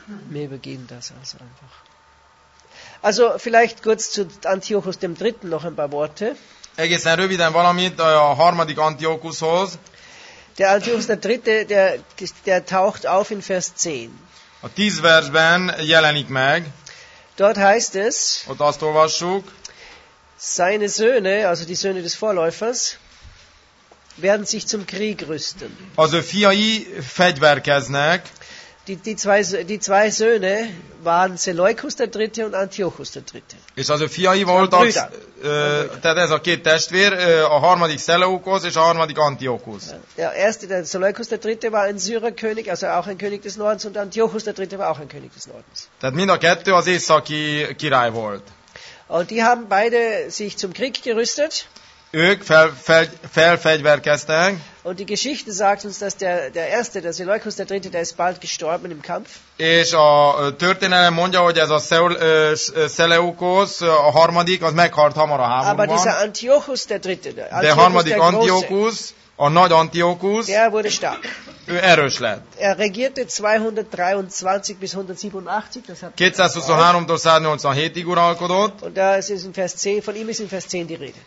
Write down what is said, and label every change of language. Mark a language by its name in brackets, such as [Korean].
[German] Mi beginnt das also einfach. Also vielleicht kurz zu Antiochus dem Dritten noch ein paar Worte. [Hungarian] Egészen röviden valamit a harmadik Antiochushoz. [German] Der Antiochus der Dritte, der taucht auf in Vers 10. [Hungarian] A 10 versben jelenik meg. [German] Dort heißt es. [Hungarian] Ott azt olvassuk. [German] Seine Söhne, also die Söhne des Vorläufers, werden sich zum Krieg rüsten. [Hungarian] Az ő fiai fegyverkeznek. [German] Die zwei Söhne waren Seleukus der Dritte und Antiochus der Dritte. [Hungarian] És az ő fiai voltak, tehát ez a két testvér, a harmadik Seleukos és a harmadik Antiochus. [German] Ja, Seleukus der Dritte war ein Syrerkönig, also auch ein König des Nordens, und Antiochus der Dritte war auch ein König des Nordens. [Hungarian] Tehát mind a kettő az északi király volt. [German] Und die haben beide sich zum Krieg gerüstet. [Hungarian] Ők felfegyverkeztek. [German] Und die Geschichte sagt uns, dass der erste, der Seleukus der Dritte, der ist bald gestorben im Kampf. [Hungarian] És a történelem mondja, hogy ez a Seleukos, a harmadik, az meghalt hamar a háborúban. [German] Aber dieser Antiochus der Dritte, [Hungarian] der harmadik Antiochus, a nagy Antiochus, [German] der wurde stark. [Hungarian] Ő erős lett. [German] Er regierte 223 bis 187, das hat [Hungarian] 223-tól 187-ig uralkodott. [German] Und da ist in Vers 10, von ihm ist in Vers 10 die Rede.